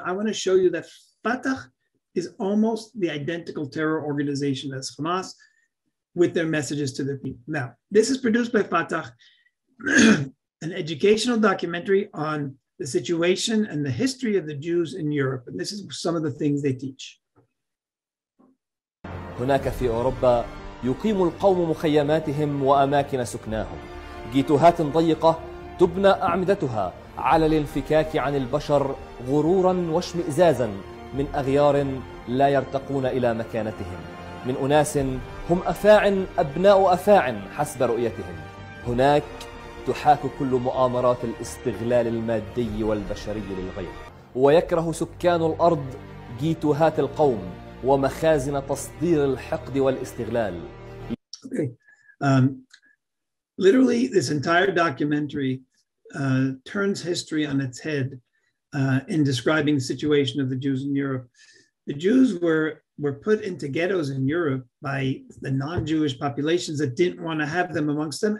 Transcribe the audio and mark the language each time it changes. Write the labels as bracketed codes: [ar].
[en] I want to show you that Fatah is almost the identical terror organization as Hamas, with their messages to the people. Now, this is produced by Fatah, an educational documentary on the situation and the history of the Jews in Europe. And this is some of the things they teach. [ar] هناك في أوروبا يقيم القوم مخيماتهم وأماكن سكناهم. جيتوهات ضيقة تبنى أعمدتها على الانفكاك عن البشر غروراً واشمئزازاً من أغيار لا يرتقون إلى مكانتهم. من أناس هم أفاع أبناء أفاع حسب رؤيتهم. هناك تحاك كل مؤامرات الاستغلال المادي والبشري للغير، ويكره سكان الأرض جيتوهات القوم ومخازن تصدير الحقد والاستغلال. [en] Okay. Literally, this entire documentary turns history on its head in describing the situation of the Jews in Europe. The Jews were put into ghettos in Europe by the non-Jewish populations that didn't want to have them amongst them.